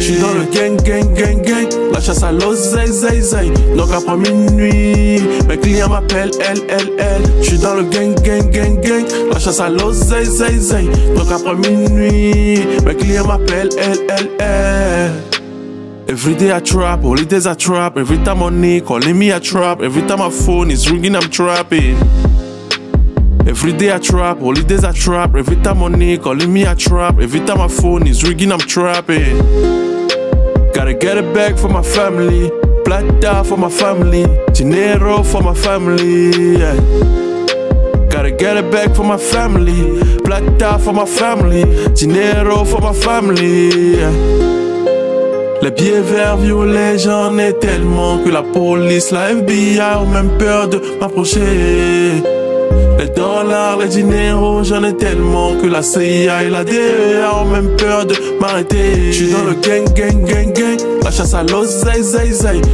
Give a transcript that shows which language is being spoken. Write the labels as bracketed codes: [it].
[fr] J'suis dans le gang, gang, gang, gang. La chasse à l'oseille, zay, zay. Donc après minuit, mes clients m'appellent LLL. J'suis dans le gang, gang, gang, gang. La chasse à l'oseille, zay, zay. Donc après minuit, mes clients m'appellent LLL. [en] Every day I trap, holidays I trap. Every time money calling me I trap. Every time my phone is ringing I'm trapping. Every day I trap, holidays I trap. Every time money calling me I trap. Every time my phone is ringing I'm trapping. Gotta get it back for my family. Plata for my family. Dinero for my family, yeah. Gotta get it back for my family. Plata for my family. Dinero for my family, yeah. [fr] Les pieds verts, violets, j'en ai tellement. Que la police, la FBI ont même peur de m'approcher. Les dollars, les dineros, j'en ai tellement. Que la CIA et la DEA ont même peur de m'arrêter. J'suis dans le gang, gang, gang, gang. La chasse à l'oseille, zay, zay.